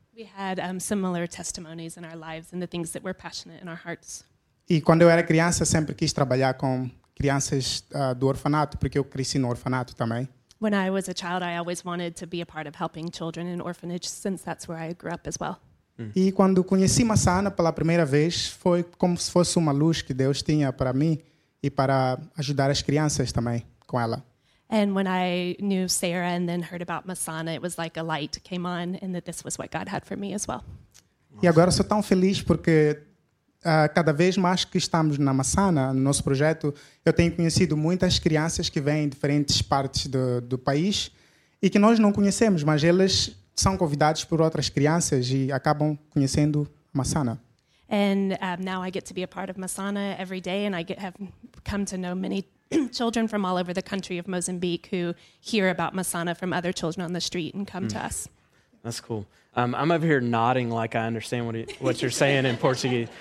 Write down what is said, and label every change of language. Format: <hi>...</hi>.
<en>We had similar testimonies in our lives and the things that were passionate in our hearts.</en> <pt>E quando eu era criança, sempre quis trabalhar com crianças do orfanato, porque eu cresci no orfanato também.</pt> <en>When I was a child, I always wanted to be a part of helping children in orphanage, since that's where I grew up as well.</en> <pt>E quando conheci Masana pela primeira vez, foi como se fosse uma luz que Deus tinha para mim e para ajudar as crianças também com ela.</pt> <en>And when I knew Sarah and then heard about Masana, it was like a light came on and that this was what God had for me as well.</en> <pt>E agora sou tão feliz porque cada vez mais que estamos na Masana, no nosso projeto, eu tenho conhecido muitas crianças que vêm de diferentes partes do país e que nós não conhecemos, mas elas são convidados por outras crianças e acabam conhecendo Masana.</pt> <en>And now I get to be a part of Masana every day, and I have come to know many children from all over the country of Mozambique who hear about Masana from other children on the street and come to us. That's cool. I'm over here nodding like I understand what you're saying in Portuguese.</en>